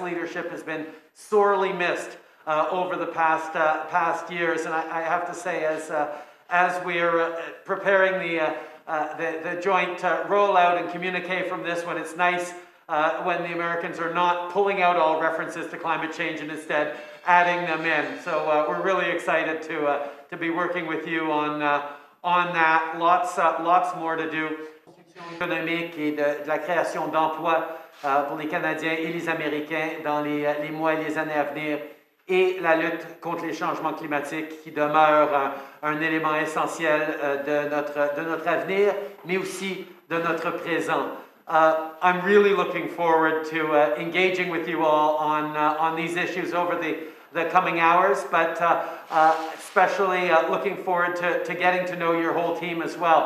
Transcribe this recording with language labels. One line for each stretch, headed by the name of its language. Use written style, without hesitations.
English: leadership has been sorely missed over the past years, and I have to say, as we're preparing the joint rollout and communique from this one, it's nice when the Americans are not pulling out all references to climate change and instead adding them in. So we're really excited to be working with you on that. Lots more to do.
French: Économique et de la création d'emplois pour les Canadiens et les Américains dans les mois et les années à venir. Et la lutte contre les changements climatiques qui demeure un élément essentiel de notre avenir, mais aussi de notre présent.
English: I'm really looking forward to engaging with you all on these issues over the coming hours, but especially looking forward to getting to know your whole team as well.